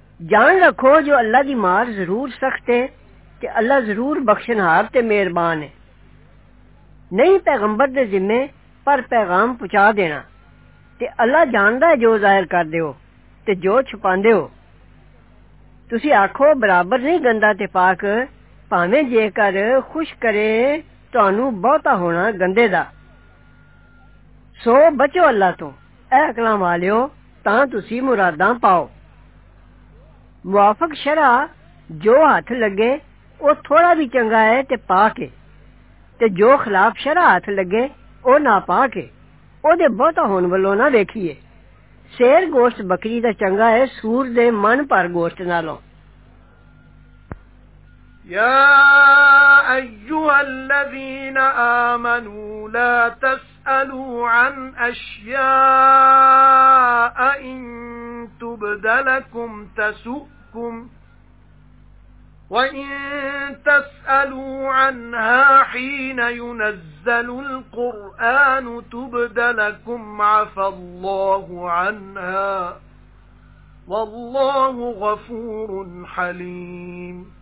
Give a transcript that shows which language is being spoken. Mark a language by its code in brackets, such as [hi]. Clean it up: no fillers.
[pa] جان رکھو جو اللہ دی مار ضرور سخت ہے تے اللہ ضرور بخشنہار تے مہربان ہے. نہیں پیغمبر دے ذمے پر پیغام پہنچا دینا, تے اللہ جاندا ہے جو ظاہر کردے ہو تے جو چھپاندے ہو. تسی آکھو برابر نہیں گندا تے پاک, پاویں جے کر خوش کرے ਤੁਹਾਨੂੰ ਬਹੁਤਾ ਹੋਣਾ ਗੰਦੇ ਦਾ. ਸੋ ਬਚੋ ਅੱਲਾ ਤੋਂ, ਇਹ ਅਕਲਾਂ ਵਾਲਿਓ ਤਾਂ ਤੁਸੀਂ ਮੁਰਾਦਾਂ ਪਾਓ. ਮੁਆਫਕ ਸ਼ਰ੍ਹਾ ਜੋ ਹੱਥ ਲੱਗੇ ਉਹ ਥੋੜਾ ਵੀ ਚੰਗਾ ਹੈ ਤੇ ਪਾ ਕੇ, ਤੇ ਜੋ ਖਿਲਾਫ ਸ਼ਰ੍ਹਾ ਹੱਥ ਲੱਗੇ ਉਹ ਨਾ ਪਾ ਕੇ, ਉਹਦੇ ਬਹੁਤਾ ਹੋਣ ਵੱਲੋਂ ਨਾ ਵੇਖੀਏ. ਸ਼ੇਰ ਗੋਸ਼ਤ ਬੱਕਰੀ ਦਾ ਚੰਗਾ ਹੈ ਸੂਰ ਦੇ ਮਨ ਭਰ ਗੋਸ਼ਤ ਨਾਲੋਂ. [ar] يا أيها الذين آمنوا لا تسألوا عن أشياء إن تبدلكم تسؤكم وإن تسألوا عنها حين ينزل القرآن تبدلكم عفى الله عنها والله غفور حليم.